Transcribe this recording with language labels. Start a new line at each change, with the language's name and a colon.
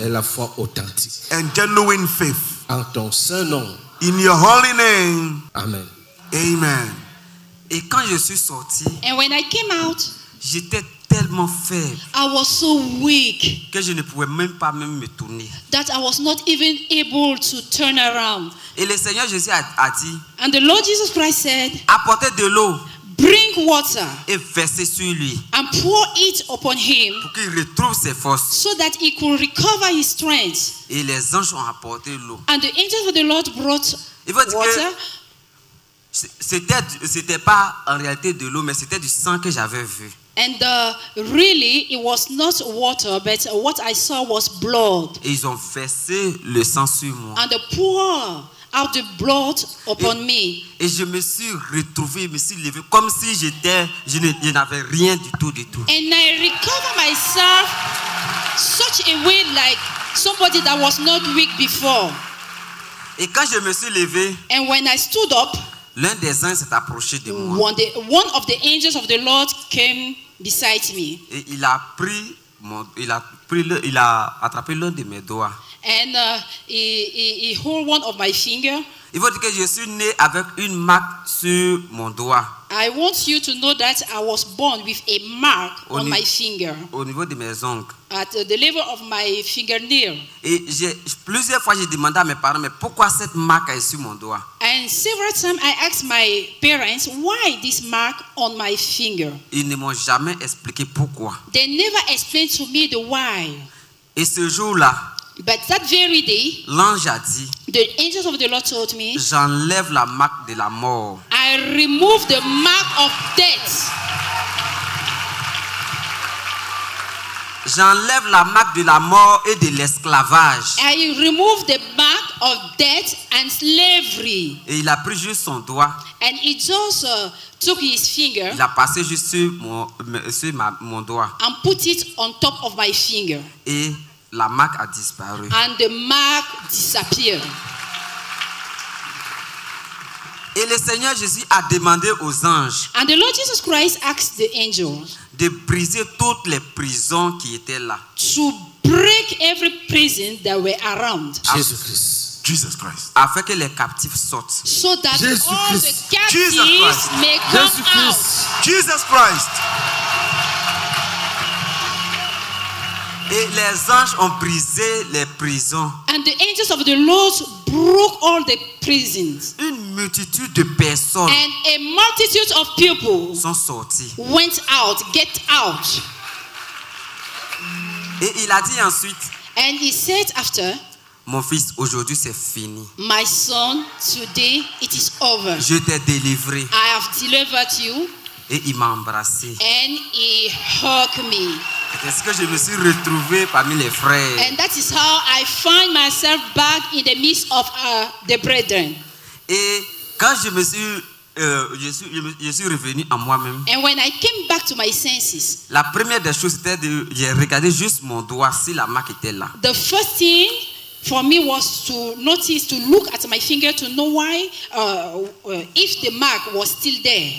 French: Et la foi authentique.
English: And genuine faith.
French: En ton saint nom.
English: In your holy name. Amen. Amen.
French: Et quand je suis sorti,
English: and when I came out,
French: j'étais tellement faible,
English: I was so weak,
French: que je ne pouvais même pas même me tourner,
English: that I was not even able to turn around.
French: Et le Seigneur Jésus a dit,
English: and the Lord Jesus Christ said,
French: apportez de l'eau,
English: bring water,
French: et versez sur lui,
English: and pour it upon him,
French: pour qu'il retrouve ses forces,
English: so that he could recover his strength.
French: Et les anges ont apporté l'eau.
English: And the angels of the Lord brought water.
French: C'était pas en réalité de l'eau, mais c'était du sang que j'avais vu.
English: And really, it was not water, but what I saw was blood.
French: Et ils ont versé le sang sur moi.
English: And the poor out the blood upon me.
French: Et je me suis retrouvé, me suis levé comme si je n'avais rien du tout du tout.
English: And I recovered myself such a way like somebody that was not weak before.
French: Et quand je me suis levé,
English: and when I stood up,
French: L'un des anges s'est approché de moi.
English: One of the angels of the Lord came beside me.
French: Et il a pris mon, il a attrapé l'un de mes doigts.
English: And he hold one of my finger.
French: Il veut dire que je suis né avec une marque sur mon doigt.
English: I want you to know that I was born with a mark on my finger.
French: Au niveau de mes ongles.
English: At the level of my fingernail.
French: Et plusieurs fois j'ai demandé à mes parents, mais pourquoi cette marque est sur mon doigt?
English: And several times I asked my parents why this mark on my finger.
French: Ils ne m'ont jamais expliqué pourquoi.
English: They never explained to me the why.
French: Et ce jour-là.
English: But that very day,
French: l'ange a dit,
English: the angels of the Lord told me,
French: j'enlève la marque de la mort.
English: I remove the mark of death.
French: J'enlève la marque de la mort et de l'esclavage.
English: I remove the mark of death and slavery.
French: Et il a pris juste son doigt.
English: And he just took his finger.
French: Il a passé juste sur mon doigt.
English: And put it on top of my finger.
French: Et la marque a disparu.
English: And the mark disappeared.
French: Et le Seigneur Jésus a demandé aux anges.
English: And the Lord Jesus Christ asked the angels.
French: De briser toutes les prisons qui étaient là.
English: To break every prison that were around. Jesus Christ.
French: Afin que les captifs sortent.
English: So that Jesus all Christ. The captives may come Jesus Christ. Out. Jesus Christ.
French: Et les anges ont brisé les prisons.
English: And the angels of the Lord broke all the prisons.
French: Une multitude de personnes.
English: And a multitude of people
French: sont sortis.
English: Went out, get out.
French: Et il a dit ensuite.
English: And he said after.
French: Mon fils, aujourd'hui c'est fini.
English: My son, today it is over.
French: Je t'ai délivré.
English: I have delivered you.
French: Et il m'a embrassé.
English: And he hugged me.
French: Est-ce que je me suis retrouvé parmi les frères?
English: And that is how I find myself back in the midst of the brethren.
French: Et quand je suis revenu à moi-même.
English: And when I came back to my senses.
French: La première des choses c'était de regarder juste mon doigt si la marque était là.
English: The first thing for me was to notice, to look at my finger to know why, if the mark was still there.